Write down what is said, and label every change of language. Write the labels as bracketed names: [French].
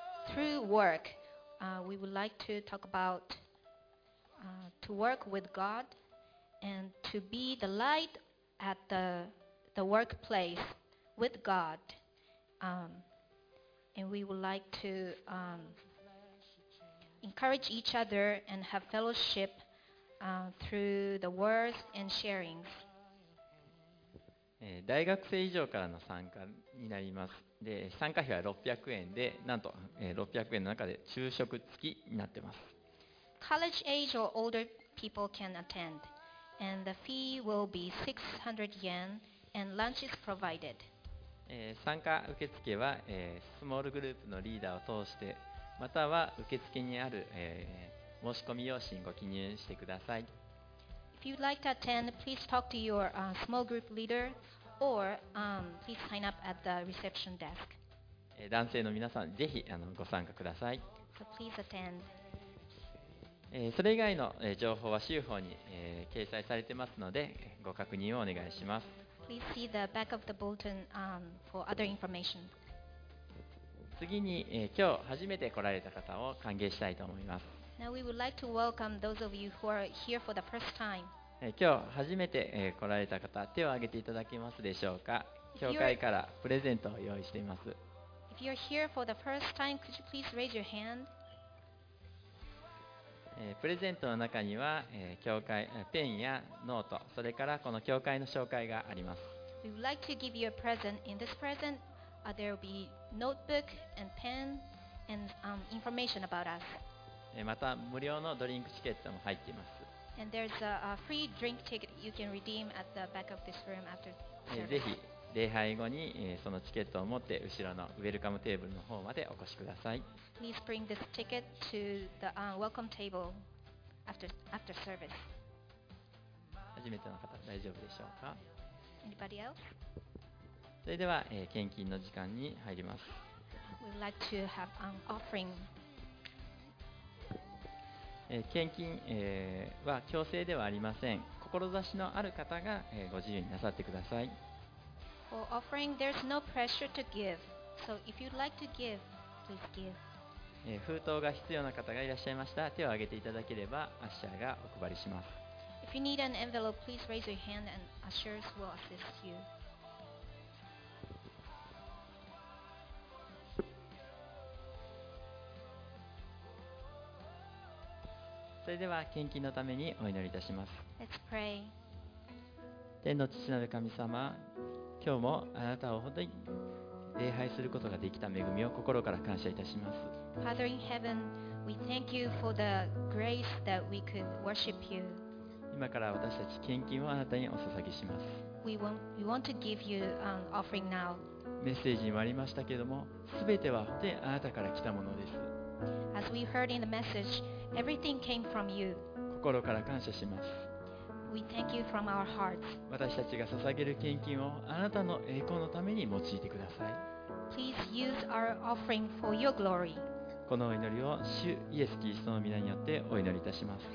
[English] Through work, we would like to talk about to work with God and to be the light at the workplace with God. And we would like to encourage each other and have fellowship through the words and sharings. [Japanese] 大学生以上からの参加になります。で参加費は600円で、なんと600円の中で昼食付きになってます。 [English] College age or older people can attend, and the fee will be 600 yen, and lunch is provided. [Japanese] 参加受付は、スモールグループのリーダーを通して、または受付にある、申し込み用紙にご記入してください。 [English] If you'd like to attend, please talk to your small group leader or please sign up at the reception desk. [Japanese] 男性の皆さん、ぜひご参加ください。 [English] So please attend. [Japanese] それ以外の情報は週報に掲載されていますので、ご確認をお願いします。 [English] Please see the back of the bulletin for other information. [Japanese] 次に、今日初めて来られた方を歓迎したいと思います。 [English] Now we would like to welcome those of you who are here for the first time. [Japanese] 今日初めて来られた方、手を挙げていただけますでしょうか。教会からプレゼントを用意しています。 [English] If you're here for the first time, could you please raise your hand? [Japanese] プレゼントの中には、教会ペンやノート、それからこの教会の紹介があります。 [English] We would like to give you a present. In this present, there will be notebook and pen and information about us. [Japanese] また無料のドリンクチケットも入っています。 [English] And there's a free drink ticket you can redeem at the back of this room after service. [Japanese] ぜひ礼拝後にそのチケットを持って後ろのウェルカムテーブルの方までお越しください。 [English] Please bring this ticket to the welcome table after service. [Japanese] 初めての方大丈夫でしょうか。 [English] Anybody else? [Japanese] それでは献金の時間に入ります。 [English] We would like to have an offering. [Japanese] 献金は強制ではありません。志のある方がご自由になさってください。 [English] For offering, there's no pressure to give. So if you'd like to give, please give. [Japanese] 封筒が必要な方がいらっしゃいましたら手を挙げていただければ、アッシャーがお配りします。 [English] If you need an envelope, please raise your hand and ushers will assist you. [Japanese] それでは献金のためにお祈りいたします。 [English] Let's pray. [Japanese] 天の父なる神様、今日もあなたを本当に礼拝することができた恵みを心から感謝いたします。 [English] Father in heaven, we thank you for the grace that we could worship you. [Japanese] 今から私たち献金をあなたにお捧げします。 [English] We want to give you an offering now. [Japanese] メッセージにもありましたけれども、すべては本当にあなたから来たものです。 [English] As we heard in the message, everything came from you. [Japanese] 心から感謝します。 [English] We thank you from our hearts. [Japanese] 私たちが捧げる献金をあなたの栄光のために用いてください。 [English] Please use our offering for your glory. [Japanese] このお祈りを主イエスキリストの御名によってお祈りいたします。